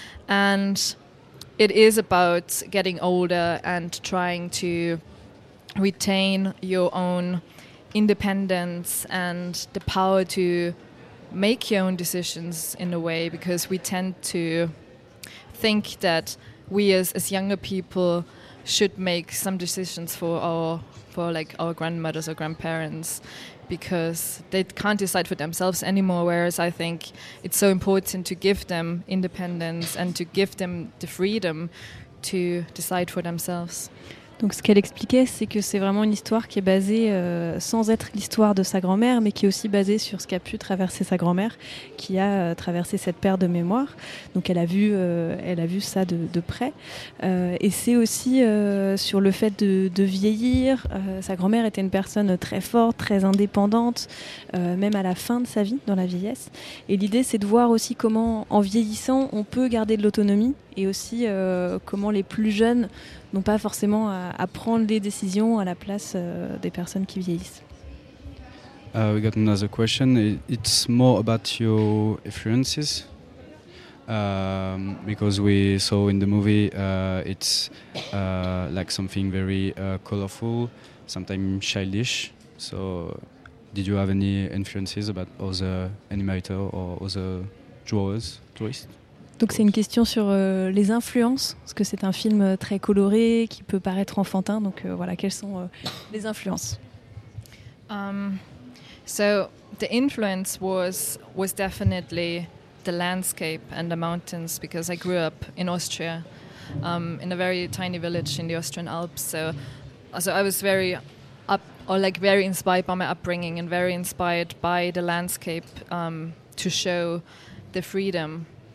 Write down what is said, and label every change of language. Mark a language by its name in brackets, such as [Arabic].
[English] And it is about getting older and trying to retain your own independence and the power to make your own decisions in a way, because we tend to think that we as younger people should make some decisions for our grandmothers or grandparents, because they can't decide for themselves anymore, whereas I think it's so important to give them independence and to give them the freedom to decide for themselves. [French] Donc ce qu'elle expliquait, c'est que c'est vraiment une histoire qui est basée, sans être l'histoire de sa grand-mère, mais qui est aussi basée sur ce qu'a pu traverser sa grand-mère, qui a traversé cette perte de mémoire. Donc elle a vu ça de près. Et c'est aussi sur le fait de vieillir. Sa grand-mère était une personne très forte, très indépendante, même à la fin de sa vie, dans la vieillesse. Et l'idée, c'est de voir aussi comment, en vieillissant, on peut garder de l'autonomie, et aussi comment les plus jeunes n'ont pas forcément à prendre des décisions à la place des personnes qui vieillissent. [English] We got another question. It's more about your influences, because we saw in the movie it's like something very colorful, sometimes childish. So, did you have any influences about other animators or other drawers, drawists? [French] Donc c'est une question sur les influences, parce que c'est un film très coloré qui peut paraître enfantin. Donc voilà, quelles sont les influences? [English] So the influence was definitely the landscape and the mountains, because I grew up in Austria, in a very tiny village in the Austrian Alps. So I was very up, or like very inspired by my upbringing and very inspired by the landscape to show the freedom.